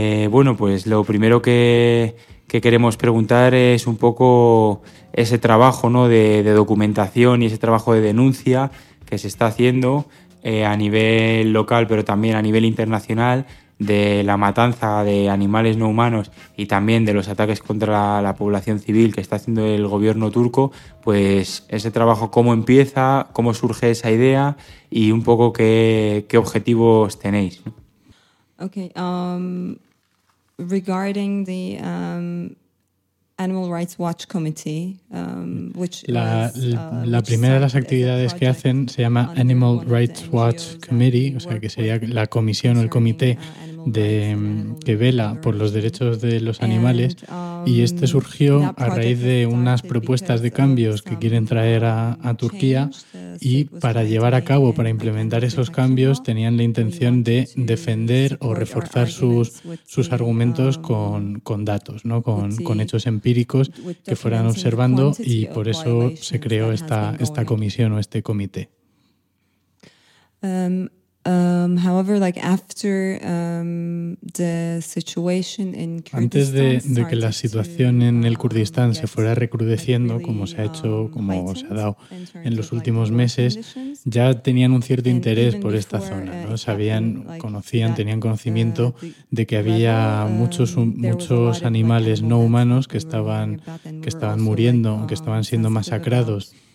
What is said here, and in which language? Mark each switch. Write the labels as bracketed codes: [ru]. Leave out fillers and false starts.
[es] Bueno, pues lo primero que queremos preguntar es un poco ese trabajo, ¿no?, de documentación y ese trabajo de denuncia que se está haciendo a nivel local, pero también a nivel internacional, de la matanza de animales no humanos y también de los ataques contra la población civil que está haciendo el gobierno turco. Pues ese trabajo, ¿cómo empieza?, ¿cómo surge esa idea?, y un poco qué objetivos tenéis, ¿no? [en] Okay, regarding the Animal Rights Watch Committee, which la, is... [es] La primera de las actividades que hacen se llama Animal Rights Watch Committee, o sea, que sería la comisión o el comité que vela por los derechos de los animales. Y este surgió a raíz de unas propuestas de cambios que quieren traer a Turquía, y para llevar a cabo, para implementar esos cambios, tenían la intención de defender o reforzar sus argumentos con datos, ¿no?, con hechos empíricos que fueran observando, y por eso se creó esta comisión o este comité. [en] However, like after the situation in Kurdistan, [es] antes de que la situación en el Kurdistán se fuera recrudeciendo, como se ha hecho, como se ha dado en los últimos meses, ya tenían un cierto interés por esta zona, ¿no? Sabían, conocían, tenían conocimiento de que había muchos animales no humanos que estaban muriendo, que estaban siendo masacrados